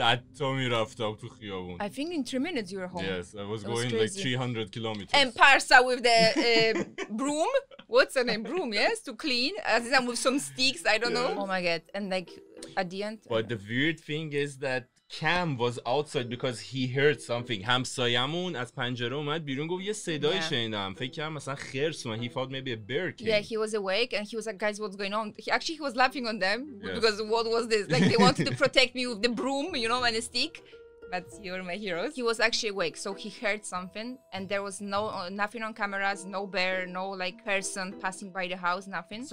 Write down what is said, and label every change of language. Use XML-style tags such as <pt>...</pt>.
<en>I think in 3 minutes you were home. Yes, I was going like 300 kilometers. And Parsa with the broom. What's her name? Broom, yes? To clean. Azizam with some sticks, I don't know. Oh my God. And like, at the end. But the weird thing is that Cam was outside because he heard something.</en> <fa>همسایمون از پنجره اومد بیرون گفت یه صدایی شنیدم.</fa> <en>فکر کردم مثلا خرس اومد. He thought maybe a bear came. Yeah, he was awake and he was like, guys, what's going on? He was laughing on them because what was this? Like they wanted to protect me with the broom, you know, and a stick. But you're my heroes. He was actually awake, so he heard something and there was nothing on cameras, no bear, no like person passing by the house, nothing.</en>